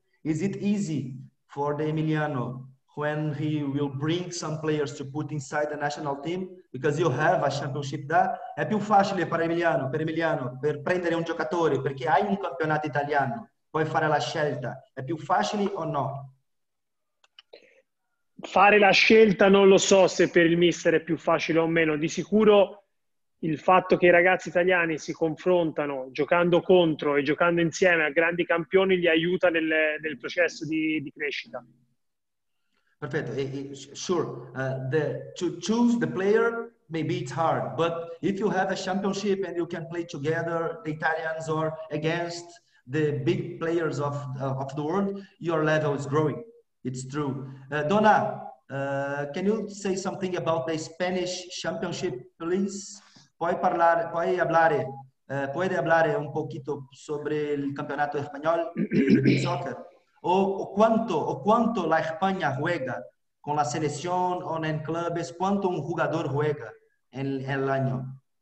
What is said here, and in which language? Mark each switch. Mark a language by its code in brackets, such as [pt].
[en] Is it easy for the Emiliano when he will bring some players to put inside the national team? Because you have a championship there. [it] È più facile per Emiliano, per prendere un giocatore, perché hai un campionato italiano, puoi fare la scelta. È più facile o no? Fare la scelta non lo so se per il mister è più facile o meno. Di sicuro il fatto che i ragazzi italiani si confrontano giocando contro e giocando insieme a grandi campioni li aiuta nel processo di crescita. Perfetto, [en] sure. To choose the player, maybe it's hard. But if you have a championship and you can play together, the Italians or against the big players of the world, your level is growing. It's true. Dona, can you say something about the Spanish championship, please? [es] Puoi hablare un pochito sobre el campeonato español de soccer? O quanto la Spagna juega con la selección o en clubes, quanto un jugador juega en el año?